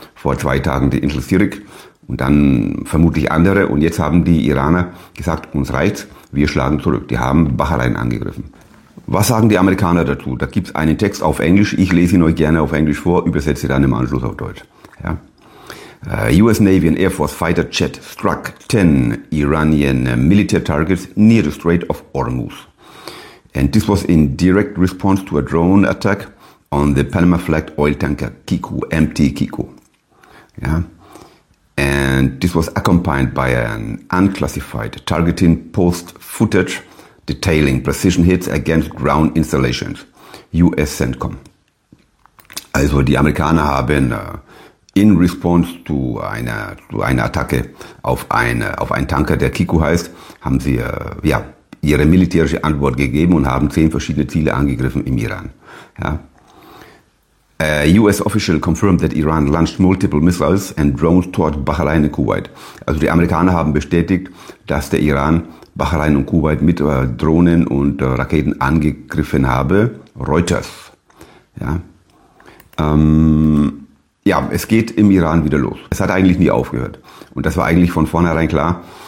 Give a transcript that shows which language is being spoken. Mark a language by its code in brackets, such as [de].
[de] Vor 2 Tagen die Insel Sirik. Und dann vermutlich andere. Und jetzt haben die Iraner gesagt, uns reicht's, wir schlagen zurück. Die haben Bahrain angegriffen. Was sagen die Amerikaner dazu? Da gibt es einen Text auf Englisch. Ich lese ihn euch gerne auf Englisch vor, übersetze dann im Anschluss auf Deutsch. Ja. [en] US Navy and Air Force Fighter Jet struck 10 Iranian military targets near the Strait of Hormuz. And this was in direct response to a drone attack on the Panama-flagged oil tanker Kiku, MT Kiku. Ja. And this was accompanied by an unclassified targeting post footage detailing precision hits against ground installations, US CENTCOM. [de] Also die Amerikaner haben [en] in response [de] zu einer Attacke auf einen Tanker, der Kiku heißt, haben sie ihre militärische Antwort gegeben und haben 10 verschiedene Ziele angegriffen im Iran. Ja. [en] A US official confirmed that Iran launched multiple missiles and drones toward Bahrain and Kuwait. [de] Also die Amerikaner haben bestätigt, dass der Iran Bahrain und Kuwait mit Drohnen und Raketen angegriffen habe. Reuters. Ja. Ja, es geht im Iran wieder los. Es hat eigentlich nie aufgehört. Und das war eigentlich von vornherein klar.